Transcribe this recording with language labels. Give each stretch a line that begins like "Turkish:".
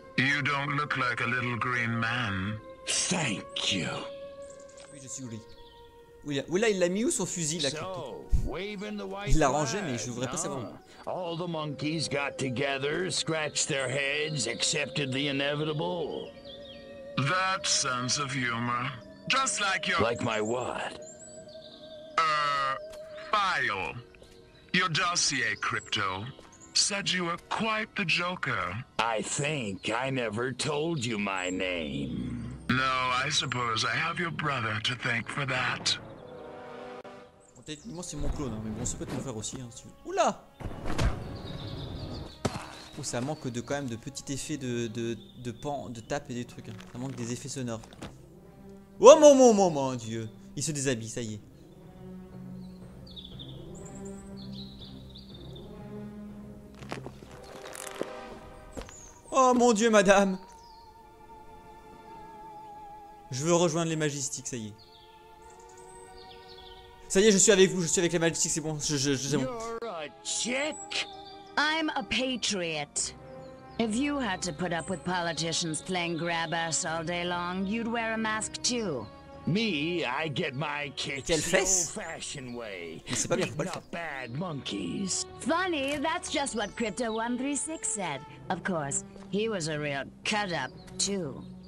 English: You don't look like a little green man. Thank you.
French: Oui, je suis Uli. Oula, il l'a mis où son fusil, là, Crypto? Il l'a rangé, mais je voudrais pas savoir.
English: All the monkeys got together, scratched their heads, accepted the inevitable. That sense of humor. Just like your... Like my what? File. Your dossier, Crypto, said you were quite the joker. I think I never told you my name. No, I suppose I have your brother to thank for that.
French: Moi c'est mon clone, hein, mais bon, ça peut être mon frère aussi. Hein, si... Oula! Oh, ça manque de quand même de petits effets de pan, de tape et des trucs. Hein. Ça manque des effets sonores. Oh mon dieu! Il se déshabille, ça y est. Oh mon dieu, madame! Je veux rejoindre les Majestiques, ça y est. Ça y est, je suis avec vous, je suis avec les Majestiques, c'est bon, c'est bon.
English: You're a chick. I'm a patriot. If you had to put up with politicians playing grab ass all day long, you'd wear a mask too. Me, I get my kicks the old-fashioned way.
French: C'est pas bien, pas le
English: bad monkeys. Funny, that's just what Crypto 136 said. Of course, he was a real cut-up too.